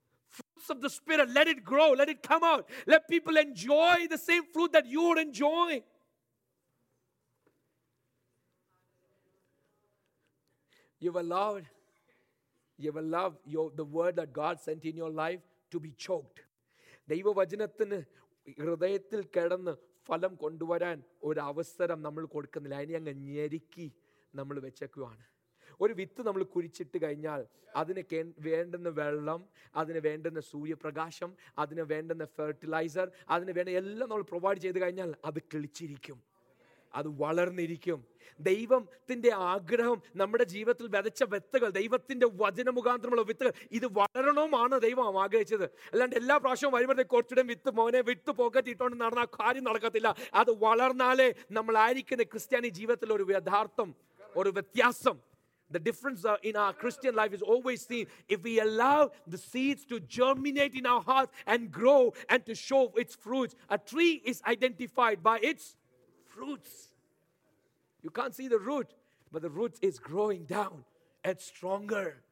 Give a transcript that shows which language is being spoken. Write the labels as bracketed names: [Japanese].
[English] Fruits of the Spirit, let it grow. Let it come out. Let people enjoy the same fruit that you are enjoying. You've allowed the word that God sent in your life to be choked. [Malayalam] Deiva vajanathinu hrudayathil kadannu ഫലം കൊണ്ടുവരാൻ ഒരു അവസരം നമ്മൾ കൊടുക്കുന്നില്ല. അതിനെ അങ്ങ് ഞെരുക്കി നമ്മൾ വെച്ചേക്കുവാണ്. ഒരു വിത്ത് നമ്മൾ കുഴിച്ചിട്ട് കഴിഞ്ഞാൽ അതിന് വേണ്ടുന്ന വെള്ളം, അതിന് വേണ്ടുന്ന സൂര്യപ്രകാശം, അതിന് വേണ്ടുന്ന ഫെർട്ടിലൈസർ, അതിന് വേണ്ട എല്ലാം നമ്മൾ പ്രൊവൈഡ് ചെയ്ത് കഴിഞ്ഞാൽ അത് കിളിച്ചിരിക്കും, അത് വളർന്നിരിക്കും. ദൈവത്തിൻ്റെ ആഗ്രഹം നമ്മുടെ ജീവിതത്തിൽ വിതച്ച വിത്തുകൾ, ദൈവത്തിൻ്റെ വചന മുഖാന്തരമുള്ള വിത്തുകൾ, ഇത് വളരണമാണ് ദൈവം ആഗ്രഹിച്ചത്. അല്ലാണ്ട് എല്ലാ പ്രാവശ്യവും വരുമ്പോഴത്തെ കുറച്ചിടം വിത്ത് മോനെ വിട്ട് പോക്കറ്റിട്ടുകൊണ്ട് നടന്നാൽ കാര്യം നടക്കത്തില്ല. അത് വളർന്നാലേ നമ്മളായിരിക്കുന്ന ക്രിസ്ത്യാനി ജീവിതത്തിൽ ഒരു യഥാർത്ഥം, ഒരു വ്യത്യാസം. [English] The difference in our Christian life is always seen if we allow the seeds to germinate in our hearts and grow and to show its fruits. A tree is identified by its roots. You can't see the root, but the root is growing down and stronger.